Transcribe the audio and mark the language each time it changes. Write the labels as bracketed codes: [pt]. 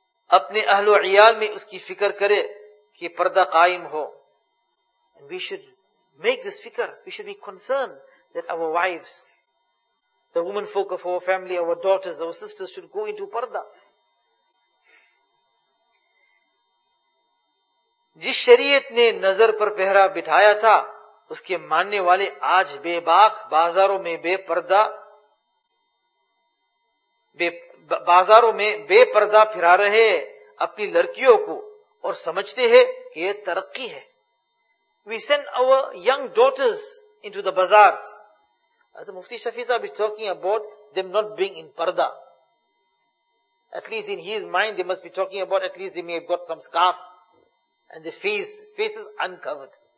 [ur] Apne ahlu iyal mein uski fikr kare ki parda qaim ho. [en] And we should make this fikr, we should be concerned that our wives, the woman folk of our family, our daughters, our sisters should go into parda. [ur] جس شریعت نے نظر پر پہرا بٹھایا تھا اس کے ماننے والے آج بے باک بازاروں میں بے پردہ پھرا رہے ہیں اپنی لڑکیوں کو اور سمجھتے ہیں کہ یہ ترقی ہے. [en] We send our young daughters into the bazaars. As Mufti Shafi Sahib is talking about them not being in parda. At least in his mind they must be talking about at least they may have got some scarf and the faces uncovered.